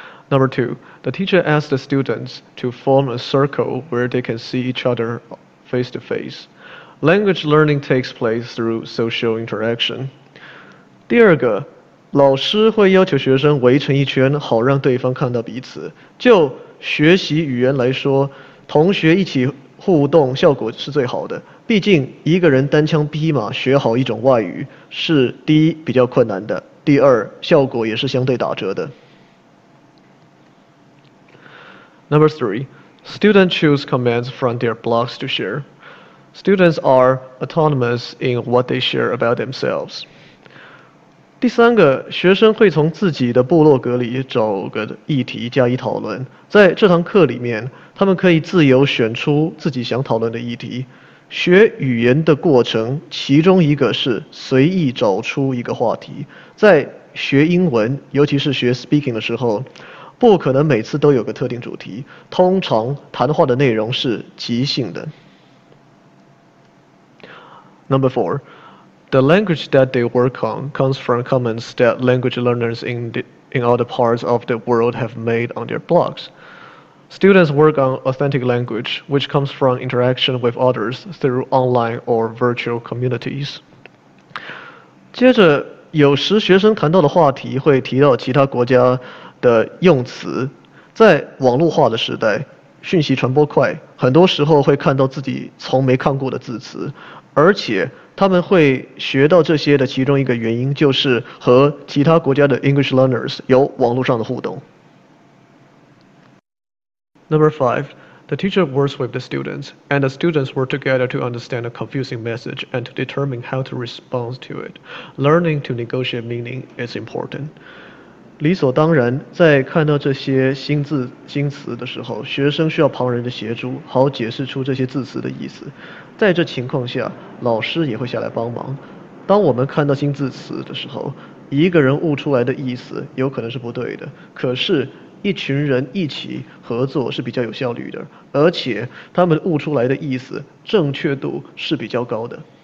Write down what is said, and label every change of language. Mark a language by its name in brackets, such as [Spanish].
[English] Number two, the teacher asks the students to form a circle where they can see each other face to face. Language learning takes place through social interaction. [Chinese] 第二个，老师会要求学生围成一圈，好让对方看到彼此。就学习语言来说，同学一起互动效果是最好的，毕竟一个人单枪匹马学好一种外语是第一比较困难的，第二效果也是相对打折的。 [English] Number three, students choose comments from their blogs to share. Students are autonomous in what they share about themselves. [Chinese] 第三个，学生会从自己的部落格里找个议题加以讨论，在这堂课里面他们可以自由选出自己想讨论的议题。学语言的过程，其中一个是随意找出一个话题。在学英文，尤其是学 speaking 的时候，不可能每次都有个特定主题，通常谈话的内容是即兴的。 [English] Number four, the language that they work on comes from comments that language learners in other parts of the world have made on their blogs. Students work on authentic language, which comes from interaction with others through online or virtual communities. [Chinese] 接着，有时学生谈到的话题会提到其他国家的用词。在网络化的时代，讯息传播快，很多时候会看到自己从没看过的字词，而且他们会学到这些的其中一个原因就是和其他国家的 [English] English learners [Chinese] 有网络上的互动。 [English] Number five, the teacher works with the students, and the students work together to understand a confusing message and to determine how to respond to it. Learning to negotiate meaning is important. [Chinese] 理所当然，在看到这些新字新词的时候，学生需要旁人的协助，好解释出这些字词的意思。在这情况下，老师也会下来帮忙。当我们看到新字词的时候，一个人悟出来的意思有可能是不对的，可是一群人一起合作是比较有效率的，而且他们悟出来的意思正确度是比较高的。